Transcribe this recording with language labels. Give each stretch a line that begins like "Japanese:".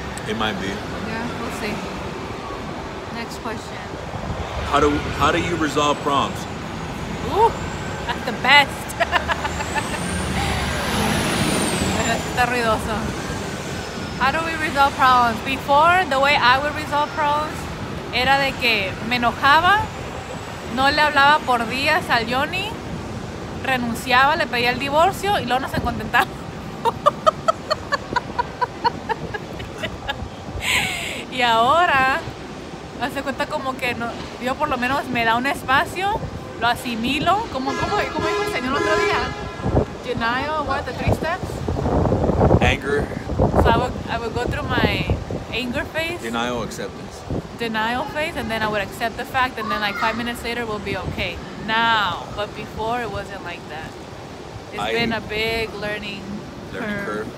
English: It might be. Yeah, we'll see. Next question. How do you resolve problems? Ooh, at the best. How do we resolve problems? Before, the way I would resolve problems
Spanish: era de que me enojaba, no le hablaba por días al Johnny, renunciaba, le pedía el divorcio y luego nos encontentaba. Y ahora, hace cuenta como que no, yo por lo menos me da un espacio, lo asimilo, como dijo el Señor el otro día.
English: Denial, what, the three steps? Anger. So I would go through my anger phase. Denial, acceptance. Denial phase, and then I would accept the fact, and then like 5 minutes later, we'll be okay. Now, but before it wasn't like that. It's been a big learning curve.